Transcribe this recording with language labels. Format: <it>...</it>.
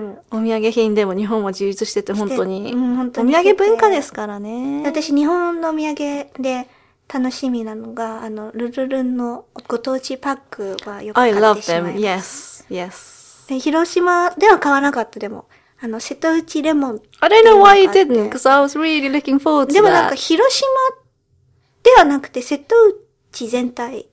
<ja>お土産品でも日本は充実してて本当に。お土産文化ですからね。私日本のお土産で楽しみなのが、ルルルンのご当地パックはよく買ってしまいます。</ja> <en>I love them, yes, yes.</en> <ja>広島では買わなかったでも、瀬戸内レモン。</ja> <en>I don't know why you didn't, because I was really looking forward to that.</en> <ja>でもなんか広島ではなくて瀬戸内全体。</ja>